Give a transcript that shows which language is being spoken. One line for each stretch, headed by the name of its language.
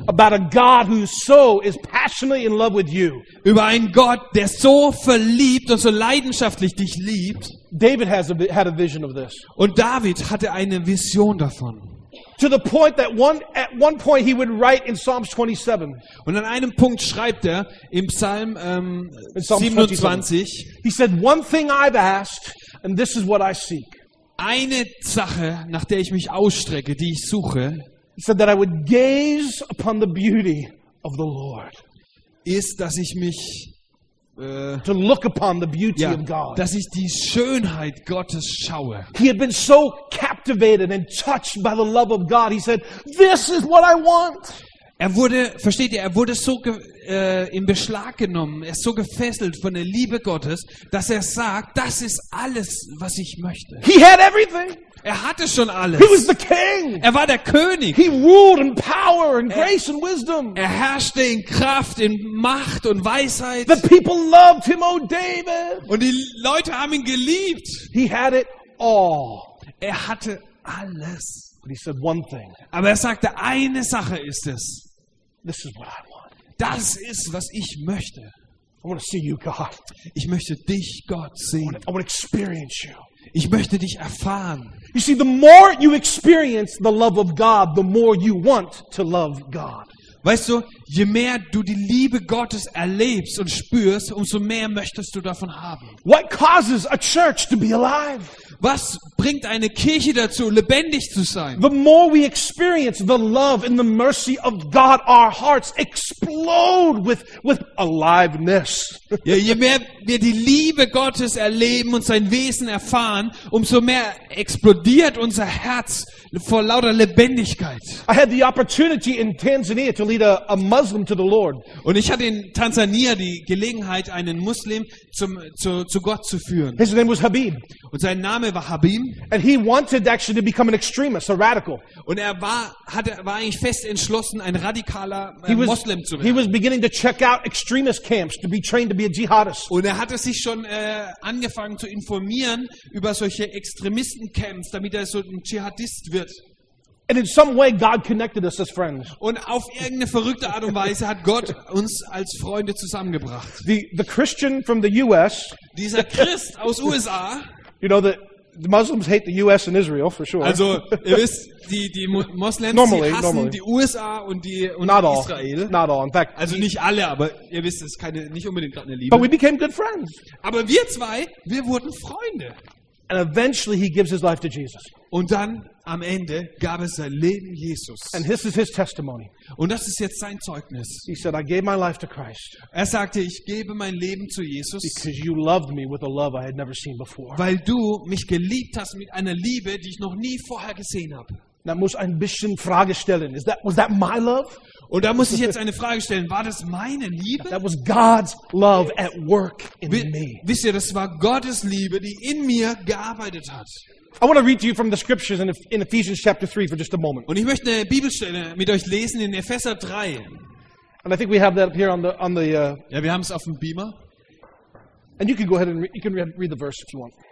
English: About a God who so is passionately in love with you.
German: Über einen Gott, der so verliebt und so leidenschaftlich dich liebt.
English: David had a vision of this.
German: Und David hatte eine Vision davon.
English: To the point that at one point he would write in Psalms 27.
German: Und an einem Punkt schreibt er im Psalm 27.
English: He said, "One thing I've asked, and this is what I seek."
German: Eine Sache, nach der ich mich ausstrecke, die ich suche.
English: He said that I would gaze upon the beauty of the Lord.
German: Ist, dass ich mich
English: to look upon the beauty of God.
German: Dass ich die Schönheit Gottes schaue.
English: He had been so captivated and touched by the love of God. He said, "This is what I want."
German: Er wurde so in Beschlag genommen, er ist so gefesselt von der Liebe Gottes, dass er sagt, das ist alles, was ich möchte.
English: He had everything.
German: Er hatte schon alles.
English: He was the king.
German: Er war der König.
English: He ruled in power and grace and wisdom.
German: Er herrschte in Kraft, in Macht und Weisheit.
English: The people loved him, oh David.
German: Und die Leute haben ihn geliebt.
English: He had it all.
German: Er hatte alles.
English: But he said one thing.
German: Aber er sagte, eine Sache ist es.
English: This is what I want.
German: Das ist, was ich möchte.
English: I want to see you, God.
German: Ich möchte dich, Gott, sehen.
English: I want to experience you.
German: Ich möchte dich erfahren.
English: You see, the more you experience the love of God, the more you want to love God.
German: Weißt du, je mehr du die Liebe Gottes erlebst und spürst, umso mehr möchtest du davon haben.
English: What causes a church to be alive?
German: Was bringt eine Kirche dazu, lebendig zu sein?
English: The more we experience the love and the mercy of God, our hearts explode with aliveness.
German: Ja, je mehr wir die Liebe Gottes erleben und sein Wesen erfahren, umso mehr explodiert unser Herz vor lauter Lebendigkeit.
English: I had the opportunity in Tanzania to lead a Muslim to the Lord.
German: Und ich hatte in Tansania die Gelegenheit, einen Muslim zu Gott zu führen.
English: His name was Habib.
German: Und sein Name war Habib.
English: And he wanted actually to become an extremist, a radical.
German: Und er war eigentlich fest entschlossen, ein radikaler Muslim zu werden.
English: He was beginning to check out extremist camps to be trained to be a jihadist.
German: Und er hatte sich schon angefangen zu informieren über solche Extremistencamps, damit er so ein Dschihadist wird.
English: And in some way God connected us as friends.
German: Und auf irgendeine verrückte Art und Weise hat Gott uns als Freunde zusammengebracht.
English: The Christian from the US.
German: Dieser Christ aus USA.
English: You know that The Muslims hate the US and Israel for sure.
German: Also, ihr wisst, die Moslems, normally, sie hassen die USA und die und
English: not Israel. All. Not all. In fact,
German: also nicht alle, aber ihr wisst, es ist keine nicht unbedingt gerade eine Liebe.
English: But we became good friends.
German: Aber wir zwei, wir wurden Freunde.
English: And eventually he gives his life to Jesus.
German: Und dann am Ende gab es sein Leben Jesus.
English: And this is his testimony.
German: Und das ist jetzt sein Zeugnis.
English: He said, I gave my life to Christ.
German: Er sagte, ich gebe mein Leben zu Jesus.
English: Because you loved me with a love I had never seen before.
German: Weil du mich geliebt hast mit einer Liebe, die ich noch nie vorher gesehen habe. Da muss ein bisschen Frage stellen.
English: Was that my love?
German: Und da muss ich jetzt eine Frage stellen. War das meine Liebe?
English: That was God's love at work in me.
German: Wisst ihr, das war Gottes Liebe, die in mir gearbeitet hat.
English: I want to read to you from the scriptures in Ephesians chapter 3 for just a moment.
German: Und ich möchte eine Bibelstelle mit euch lesen in Epheser 3.
English: And I think we have that up here on the
German: Ja, wir haben es auf dem Beamer.
English: And you can go ahead and you can read the verse if you want.